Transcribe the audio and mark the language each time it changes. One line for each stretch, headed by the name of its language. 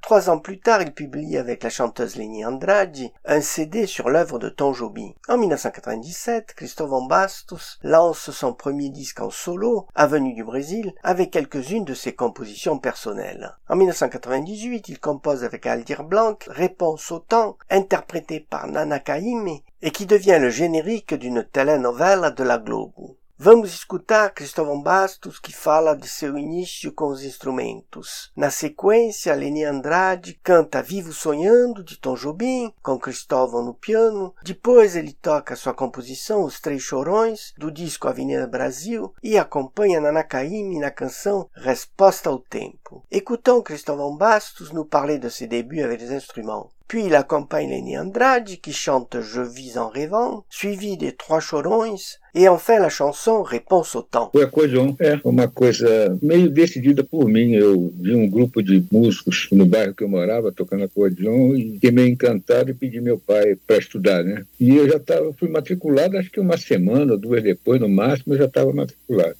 French: 3 ans plus tard, il publie avec la chanteuse Leni Andrade un CD sur l'œuvre de Tom Jobim. En 1997, Cristóvão Bastos lance son premier disque en solo, Avenue du Brésil, avec quelques-unes de ses compositions personnelles. En 1998, il compose avec Aldir Blanc Réponse au temps, interprétée par Nana Caymmi, et qui devient le générique d'une telenovela de la Globo.
Portuguese: Vamos escutar Cristóvão Bastos que fala de seu início com os instrumentos. Na sequência, Leni Andrade canta Vivo Sonhando, de Tom Jobim, com Cristóvão no piano. Depois ele toca sua composição Os Três Chorões, do disco Avenida Brasil, e acompanha Nana Caymmi na canção Resposta ao Tempo.
French: Écoutons Cristóvão Bastos nous parler de ses débuts avec les instruments. Puis il accompagne Leni Andrade qui chante Je vis en rêvant, suivi des Trois Chorões, et enfin la chanson Réponse au temps.
Portuguese: Foi a coisa, é uma coisa meio decidida por mim. Eu vi um grupo de músicos no bairro que eu morava tocando acordeon e fiquei meio encantado e pedi meu pai para estudar, né? E eu já tava, fui matriculado, acho que uma semana ou duas depois, no máximo, eu já estava matriculado.